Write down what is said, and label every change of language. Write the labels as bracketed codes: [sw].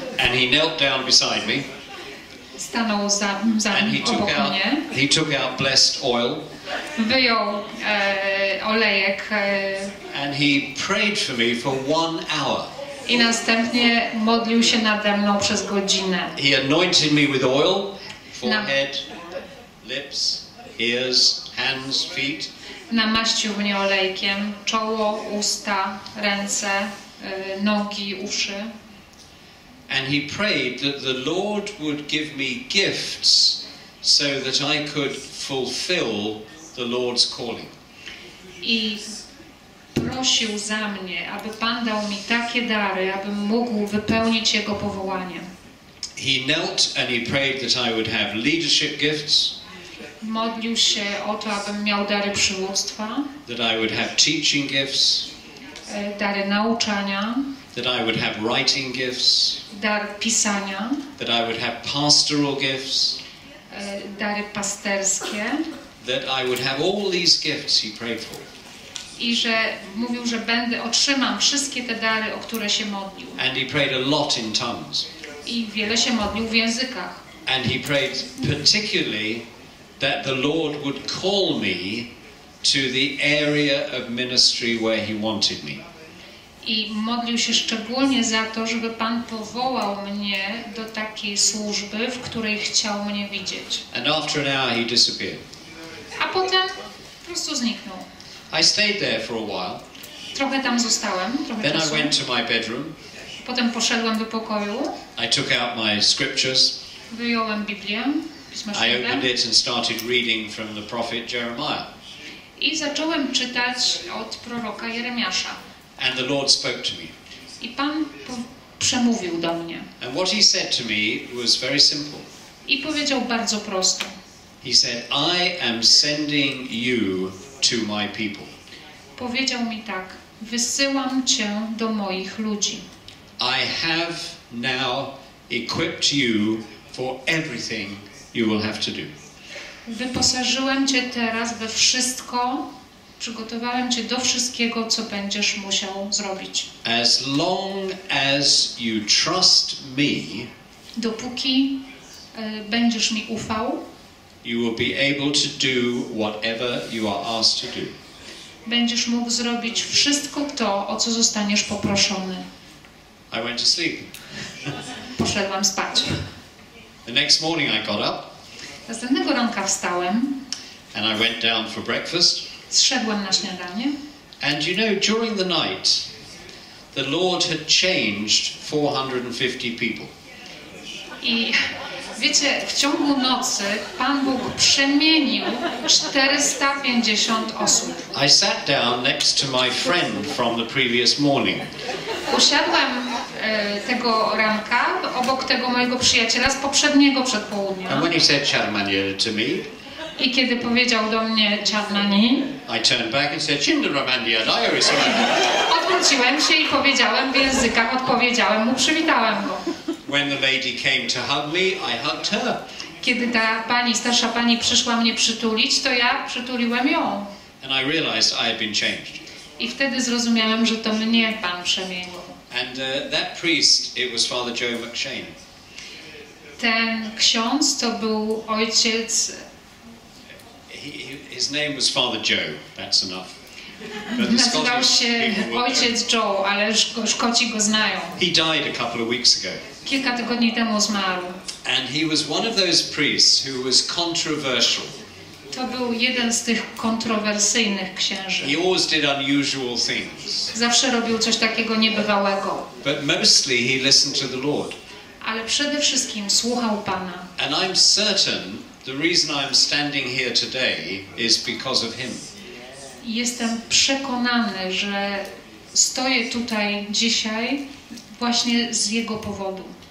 [en] And he knelt down beside me. [pl] Stanął za [en] and he took [pl] obok [en] out, [pl] mnie. [en] He took out blessed oil. [pl] Wyjął olejek. [en] And he prayed for me for 1 hour. [pl] I następnie modlił się nade mną przez godzinę. [en] He anointed me with oil, forehead, lips, ears, hands, feet. [pl] Namaścił mnie olejkiem, czoło, usta, ręce, nogi, uszy. [en] And he prayed that the Lord would give me gifts so that I could fulfill the Lord's calling. [pl] I prosił za mnie, aby Pan dał mi takie dary, abym mógł wypełnić Jego powołanie. [en] He knelt and he prayed that I would have leadership gifts. [pl] Modlił się o to, abym miał dary przywództwa. [en] That I would have teaching gifts. [pl] Dary nauczania. [en] That I would have writing gifts. [pl] Dar pisania. [en] That I would have pastoral gifts. [pl] Dary pasterskie. [en] That I would have all these gifts he prayed for. [pl] I że mówił, że będę otrzymam wszystkie te dary, o które się modlił. [en] And he prayed a lot in tongues. I wiele się modlił w językach. And he prayed particularly that the Lord would call me to the area of ministry where he wanted me. [pl] I modlił się szczególnie za to, żeby Pan powołał mnie do takiej służby, w której chciał mnie widzieć. [en] And after an hour he disappeared. [pl] A potem po prostu zniknął. [en] I stayed there for a while. [pl] Trochę tam zostałem, trochę [en] Then [pl] czasu. [en] I went to my bedroom. [pl] Potem poszedłem do pokoju. [en] I took out my scriptures. [pl] Wyjąłem Biblię, Pismo Święte. [en] I opened it and started reading from the prophet Jeremiah. [pl] I zacząłem czytać od proroka Jeremiasza. [en] And the Lord spoke to me. [pl] I Pan przemówił do mnie. [en] And what he said to me was very simple. [pl] I powiedział bardzo prosto. [en] He said, I am sending you to my people. [pl] Powiedział mi tak: wysyłam cię do moich ludzi. [en] I have now equipped you for everything you will have to do. [pl] Wyposażyłem cię teraz we wszystko. Przygotowałem cię do wszystkiego, co będziesz musiał zrobić. [en] As long as you trust me, [pl] dopóki będziesz mi ufał, [en] you will be able to do whatever you are asked to do. [pl] Będziesz mógł zrobić wszystko to, o co zostaniesz poproszony. [en] I went to sleep. [pl] Poszedłem spać. [en] The next morning I got up. [pl] Następnego ranka wstałem. [en] And I went down for breakfast. [pl] Zszedłem na śniadanie. [en] And you know, during the night, the Lord had changed 450 people. [pl] I wiecie, w ciągu nocy Pan Bóg przemienił 450 osób. [en] I sat down next to my friend from the previous morning. [pl] Usiadłem tego ranka obok tego mojego przyjaciela z poprzedniego przedpołudnia. [en] And when he said Charmanier to me, [pl] i kiedy powiedział do mnie Charmani, [en] I turned back and said, "Chinda Ramandia, Iris." [pl] Odwróciłem się i powiedziałem w językach, odpowiedziałem mu, przywitałem go. [en] When the lady came to hug me, I hugged her. [pl] Kiedy ta pani, starsza pani przyszła mnie przytulić, to ja przytuliłem ją. [en] And I realized I had been changed. [pl] I wtedy zrozumiałem, że to mnie Pan przemienił. [en] And that priest, it was Father Joe McShane. [pl] Ten ksiądz to był ojciec. [en] His name was Father Joe. That's enough. [pl] Nazywał się ojciec Joe, ale Szkoci go znają. [en] He died a couple of weeks ago. [pl] Kilka tygodni temu zmarł. [en] And he was one of those priests who was controversial. [pl] To był jeden z tych kontrowersyjnych księży. [en] He always did unusual things. [pl] Zawsze robił coś takiego niebywałego. [en] But mostly he listened to the Lord. [pl] Ale przede wszystkim słuchał Pana. [en] And I'm certain the reason I'm standing here today is because of him. [pl] Jestem przekonany, że stoję tutaj dzisiaj właśnie z jego powodu.